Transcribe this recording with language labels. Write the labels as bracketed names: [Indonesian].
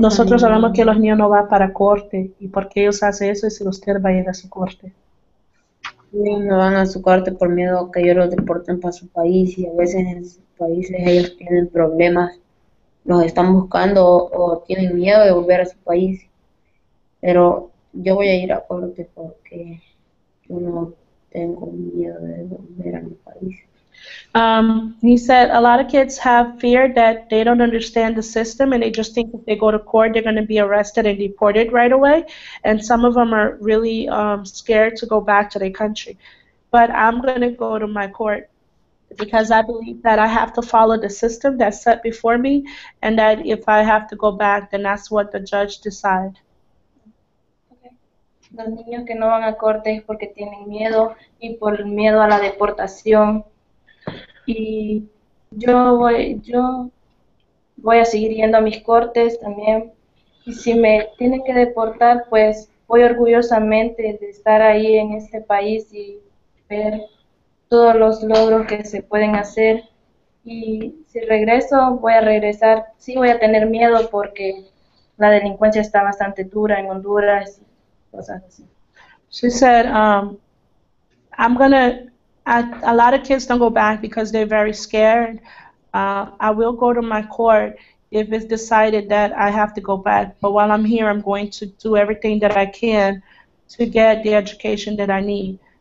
[Spanish] Nosotros sabemos que los niños no van para corte, y por qué ellos hacen eso, y si usted va a ir a su corte. Ellos no van a su corte por miedo a que ellos los deporten para su país, y a veces en sus países ellos tienen problemas, los están buscando, o tienen miedo de volver a su país. Pero yo voy a ir a corte porque uno... [English] He said a lot of kids have fear that they don't understand the system and they just think if they go to court they're going to be arrested and deported right away, and some of them are really scared to go back to their country. But I'm going to go to my court because I believe that I have to follow the system that's set before me, and that if I have to go back, then that's what the judge decides. [Spanish] Los niños que no van a corte es porque tienen miedo y por miedo a la deportación. Y yo voy a seguir yendo a mis cortes también. Y si me tienen que deportar, pues voy orgullosamente de estar ahí en este país y ver todos los logros que se pueden hacer. Y si regreso, voy a regresar. Sí, voy a tener miedo porque la delincuencia está bastante dura en Honduras. [English] She said, a lot of kids don't go back because they're very scared. I will go to my court if it's decided that I have to go back. But while I'm here, I'm going to do everything that I can to get the education that I need.